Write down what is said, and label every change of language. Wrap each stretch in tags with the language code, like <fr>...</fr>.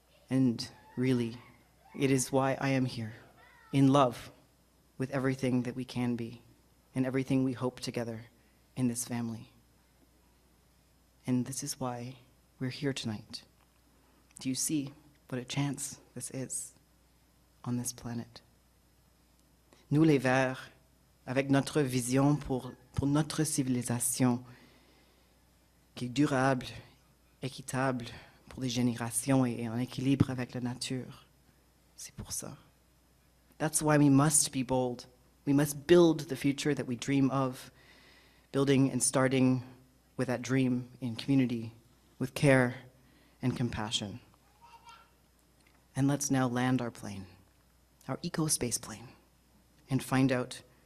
<en>And really, it is why I am here. In love with everything that we can be and everything we hope together in this family. And this is why we're here tonight. Do you see what a chance this is on this planet?</en> <fr>Nous les Verts, avec notre vision pour notre civilisation, qui est durable, équitable pour les générations et en équilibre avec la nature, c'est pour ça.</fr> <en>That's why we must be bold. We must build the future that we dream of, building and starting with that dream in community, with care and compassion. And let's now land our plane, our eco-space plane, and find out</en>